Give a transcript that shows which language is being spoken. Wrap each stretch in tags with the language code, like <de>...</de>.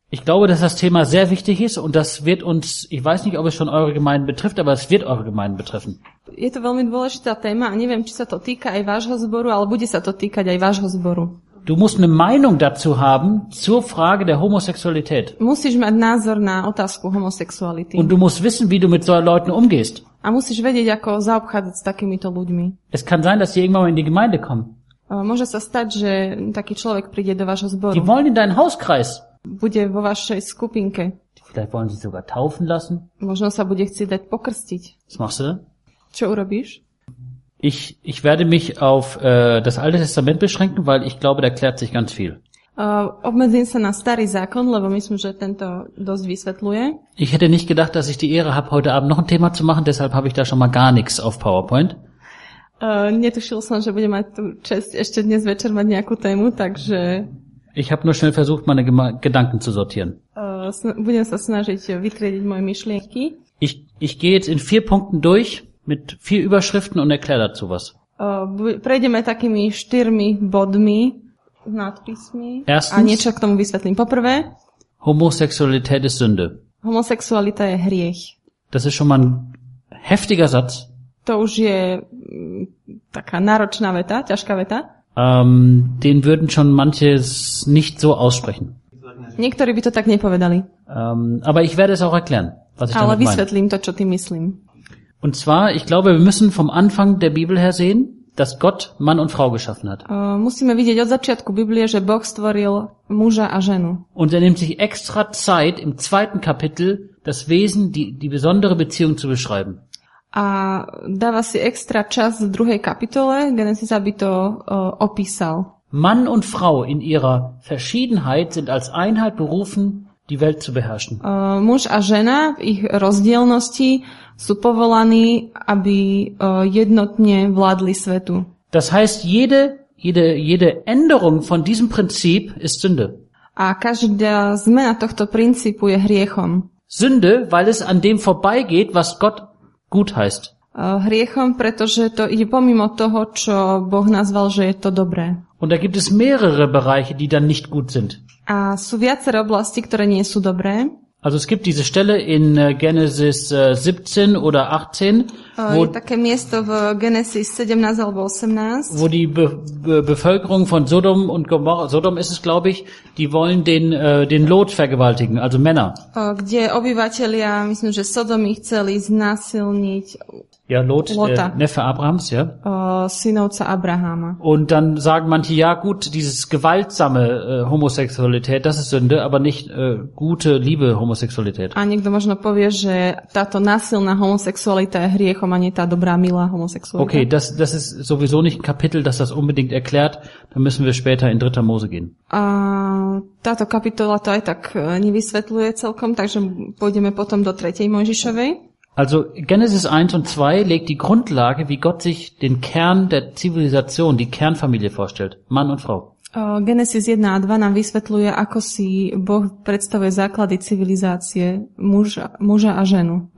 <de>Ich glaube, dass das Thema sehr wichtig ist und das wird uns, ich weiß nicht, ob es schon eure Gemeinden betrifft, aber es wird eure Gemeinden betreffen.</de> <sk>Je to veľmi dôležitá téma a neviem, či sa to týka aj vášho zboru, ale bude sa to týkať aj vášho zboru.</sk> <de>Du musst eine Meinung dazu haben zur Frage der Homosexualität.</de> <sk>Musíš mať názor na otázku homosexuality.</sk> <de>Und du musst wissen, wie du mit solchen Leuten umgehst.</de> <sk>A musíš vedieť, ako zaobchádzať s takýmito ľuďmi.</sk> <de>Es kann sein, dass sie irgendwann in die Gemeinde kommen.</de> <sk>Môže sa stať, že taký človek príde do vášho zboru.</sk> <de>Die wollen in deinen Hauskreis.</de> <sk>Bude vo vašej skupinke.</sk> <de>Vielleicht wollen sie sogar taufen lassen.</de> <sk>Možno sa bude chcieť dať pokrstiť.</sk> <de>Was machst du denn?</de> <sk>Čo urobíš?</sk> <de>Ich werde mich auf das Alte Testament beschränken, weil ich glaube, da klärt sich ganz viel.</de> <sk>Obmedzím sa na starý zákon, lebo myslím, že tento dosť vysvetľuje.</sk> <de>Ich hätte nicht gedacht, dass ich die Ehre habe, heute Abend noch ein Thema zu machen, deshalb habe ich da schon mal gar nichts auf PowerPoint.</de> <sk>Netušil som, že budem mať tú čest ešte dnes večer mať nejakú tému, takže...</sk> <de>Ich habe nur schnell versucht, meine Gedanken zu sortieren.</de> <sk>Budem sa snažiť vytriediť moje myšlienky.</sk> <de>Ich gehe jetzt in 4 Punkten durch, mit 4 Überschriften und erkläre dazu was.</de> <sk>Prejdeme takými 4 bodmi, nadpismi.</sk> <de>Erstens,</de> <sk>a niečo k tomu vysvetlím. Poprvé,</sk> <de>Homosexualität ist Sünde.</de> <sk>Homosexualita je hriech.</sk> <de>Das ist schon mal ein heftiger Satz.</de> <sk>To už je taká náročná veta, ťažká veta.</sk> <de>Den würden schon manche nicht so aussprechen.</de> <sk>Niektorí by to tak nepovedali.</sk> <de>Aber ich werde es auch erklären, was ich damit meine.</de> <sk>Ale vysvetlím to, čo tým myslím.</sk> <de>Und zwar, ich glaube, wir müssen vom Anfang der Bibel her sehen, dass Gott Mann und Frau geschaffen hat.</de> <sk>Musíme vidieť od začiatku Biblie, že Boh stvoril muža a ženu.</sk> <de>Und er nimmt sich extra Zeit im 2. Kapitel das Wesen, die besondere Beziehung zu beschreiben.</de> <sk>A dáva si extra čas v druhej kapitole Genesis, aby to opísal.</sk> <de>Mann und Frau in ihrer Verschiedenheit sind als Einheit berufen, die Welt zu beherrschen.</de> <sk>Muž a žena v ich rozdielnosti sú povolaní, aby jednotne vládli svetu.</sk> <de>Das heißt, jede Änderung von diesem Prinzip ist Sünde.</de> <sk>A každá zmena tohto princípu je hriechom.</sk> <de>Sünde, weil es an dem vorbeigeht, was Gott gut heißt.</de> <sk>Hriechom, pretože to ide pomimo toho, čo Boh nazval, že je to dobré.</sk> <de>Und da gibt es mehrere Bereiche, die dann nicht gut sind.</de> <sk>A sú viaceré oblasti, ktoré nie sú dobré.</sk> <de>Also es gibt diese Stelle in Genesis 17 oder 18,</de> <sk>wo je také miesto v Genesis 17 alebo 18,</sk> <de>wo die Bevölkerung von Sodom und Gomorra, Sodom ist es glaube ich, die wollen den Lot vergewaltigen, also Männer.</de> <sk>Kde obyvatelia, myslím, že Sodomy chceli znásilniť.</sk> <de>Ja, Lot, Lota. Der Neffe Abrahams, ja.</de> <sk>Synovca Abrahama.</sk> <de>Und dann sagen manche, ja gut, dieses gewaltsame Homosexualität, das ist Sünde, aber nicht gute, liebe Homosexualität.</de> <sk>A niekto možno povie, že táto násilná homosexualita je hriechom, a nie tá dobrá, milá homosexualita.</sk> <de>Okay, das ist sowieso nicht ein Kapitel, das das unbedingt erklärt. Da müssen wir später in 3. Mose gehen.</de> <sk>Táto kapitola to aj tak nevysvetľuje celkom, takže pôjdeme potom do 3. Mojžišovej.</sk> <de>Also Genesis 1 und 2 legt die Grundlage, wie Gott sich den Kern der Zivilisation, die Kernfamilie vorstellt, Mann und Frau.</de> <sk>Genesis 1 a 2 nám vysvetľuje, ako si Boh predstavuje základy civilizácie, muža a ženu.</sk>